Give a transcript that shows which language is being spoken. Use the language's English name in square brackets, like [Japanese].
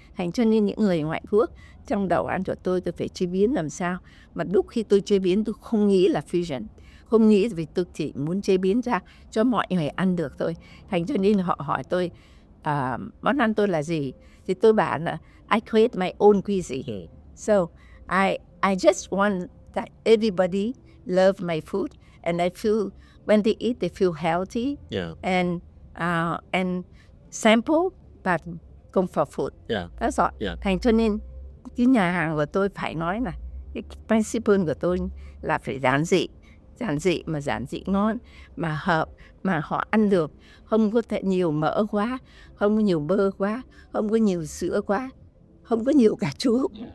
[Vietnamese] Thành cho nên những người ngoại quốc trong đầu ăn của tôi phải chế biến làm sao. Mà lúc khi tôi chế biến tôi không nghĩ là fusion, không nghĩ, vì tôi chỉ muốn chế biến ra cho mọi người ăn được thôi. Thành cho nên họ hỏi tôi món ăn tôi là gì, thì tôi bảo là [English] I create my own cuisine. So I just want that everybody love my food and I feel when they eat they feel healthy. Yeah. And sample but come for food. Yeah. That's all. Yeah. [Vietnamese] Thành cho nên cái nhà hàng của tôi phải nói là cái principle của tôi là phải giản dị mà giản dị ngon, mà hợp, mà họ ăn được, không có thể nhiều mỡ quá, không có nhiều bơ quá, không có nhiều sữa quá, không có nhiều cà chua.